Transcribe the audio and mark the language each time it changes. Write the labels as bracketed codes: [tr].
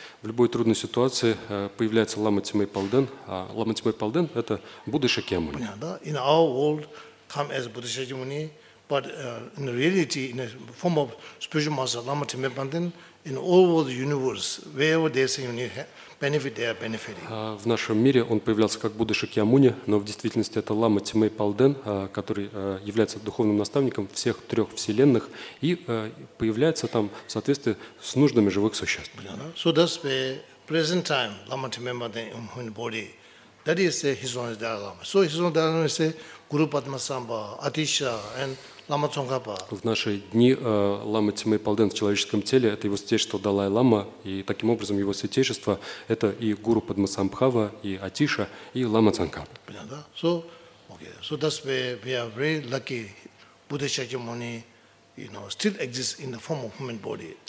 [ru] В любой трудной ситуации появляется Лама Тимей Палден, а Лама Тимей Палден – это Будда Шакьямуни. [en] In our world, come as Будда Шакьямуни, but in reality, in a form of spiritual master, Лама Тимей Палден, in all world universe, wherever they say you need benefit, they are benefiting. [ru] В нашем мире он появлялся как Будда Шакьямуни, но в действительности это Лама Тимей Палден, который является духовным наставником всех трех вселенных и появляется там в соответствии с нуждами живых существ. [en] So that's the present time, Lama Timei Palden in human body. That is His Holiness Dalai Lama. So His Holiness Dalai Lama is Guru Padmasambha, Atisha, and Лама Цонгапа. [ru] В наши дни Лама Тимей Палден в человеческом теле – это его святейшество Далай Лама, и таким образом его святейшество – это и Гуру Падмасамбхава, и Атиша, и Лама Цонгапа. Понятно? [en] So, okay. So that's why we are very lucky Будда Шакьямуни, you know, still exists in the form of human body.